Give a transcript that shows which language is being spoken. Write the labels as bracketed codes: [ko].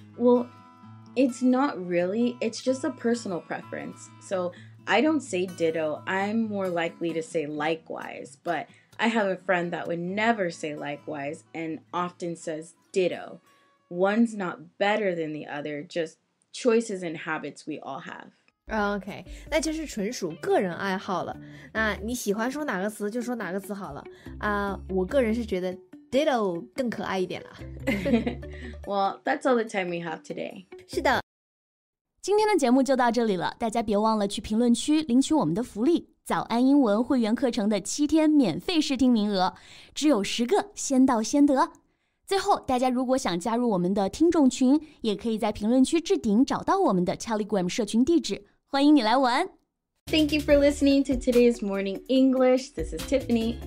[en] Well, it's not really, it's just a personal preference. So I don't say ditto, I'm more likely to say likewise, but I have a friend that would never say likewise and often says ditto. One's not better than the other, just choices and habits we all have. [zh] OK, 那就是纯属个人爱好了。那你喜欢说哪个词就说哪个词好了。我个人是觉得Ditto 更可爱一点了。 [en] Well, that's all the time we have today. [zh] 是的。今天的节目就到这里了，大家别忘了去评论区领取我们的福利，早安英文会员课程的七天免费试听名额，只有十个，先到先得。最后，大家如果想加入我们的听众群，也可以在评论区置顶找到我们的 Telegram 社群地址，欢迎你来玩。 [en] Thank you for listening to today's Morning English. This is Tiffany.